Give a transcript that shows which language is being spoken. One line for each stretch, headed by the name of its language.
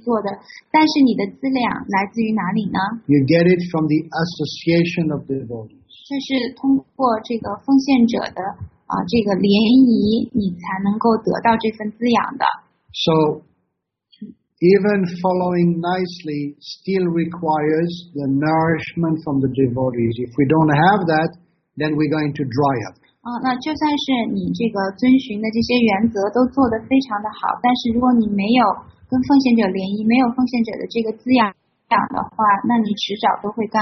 Chinese: 那换句话说就是说呢，你可能遵循的这个灵性导师的训谕啊，这个修习都是还是比较严格、认真的去做的。但是你的资粮来自于哪里呢？
English: You get it from the association of devotees.
Chinese: 这是通过这个奉献者的这个联谊，你才能够得到这份滋养的。
English: So, even following nicely still requires the nourishment from the devotees. If we don't have that, then we're going to dry up.
Chinese: 那就算是你这个遵循的这些原则都做得非常的好，但是如果你没有跟奉献者联谊，没有奉献者的这个滋养的话，那你迟早都会干。